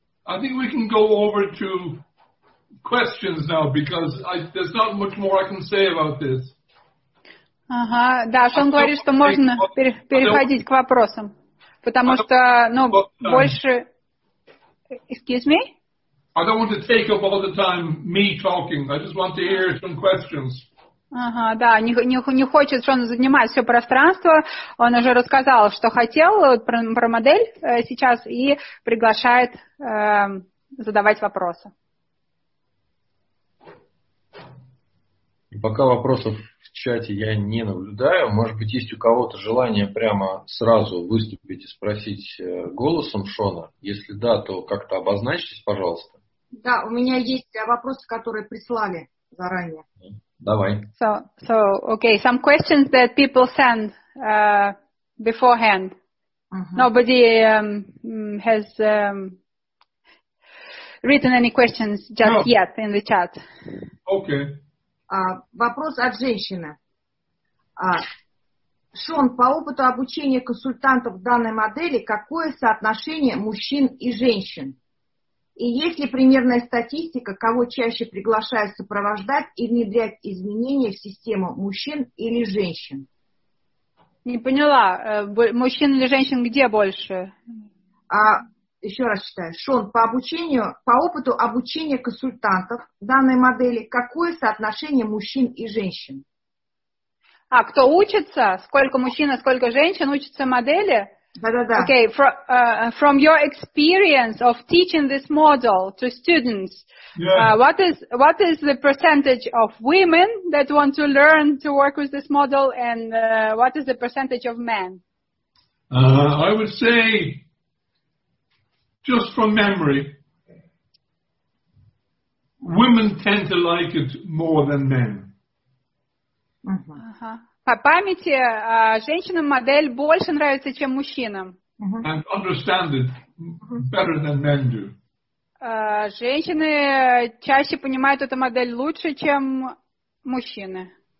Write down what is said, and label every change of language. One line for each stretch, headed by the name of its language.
English: I think we can go over to questions now, because there's not much more I can say about this.
Russian: Ага, да, Шон говорит, что можно переходить к вопросам, потому что, ну, больше...
English: Excuse me? I don't want to take up all the time me talking. I just want to hear some questions.
Russian: Ага, да, не хочет Шон занимать все пространство. Он уже рассказал, что хотел про модель сейчас и приглашает задавать вопросы. Пока вопросов в чате я не наблюдаю. Может быть, есть у кого-то желание прямо сразу выступить и спросить голосом Шона? Если да, то как-то обозначьтесь, пожалуйста. Да, у меня есть вопросы, которые прислали заранее. Давай.
English: So okay, some questions that people send beforehand. Uh-huh. Nobody has written any questions just no. yet in the chat. Okay.
Russian: Вопрос от женщины. Шон, по опыту обучения консультантов данной модели, какое соотношение мужчин и женщин? И есть ли примерная статистика, кого чаще приглашают сопровождать и внедрять изменения в систему, мужчин или женщин? Не поняла, мужчин или женщин где больше? Еще раз читаю. Шон, по опыту обучения консультантов данной модели, какое соотношение мужчин и женщин? А кто учится? Сколько мужчин, а сколько женщин учатся модели? Да-да-да.
English: Okay, from your experience of teaching this model to students, what is the percentage of women that want to learn to work with this model, and what is the percentage of men? I would say, just from memory, women tend to like it more than men.
Russian: По памяти, женщинам модель больше нравится, чем мужчинам.
English: And understand it better than men do.
Russian: Женщины чаще понимают эту модель лучше, чем мужчины.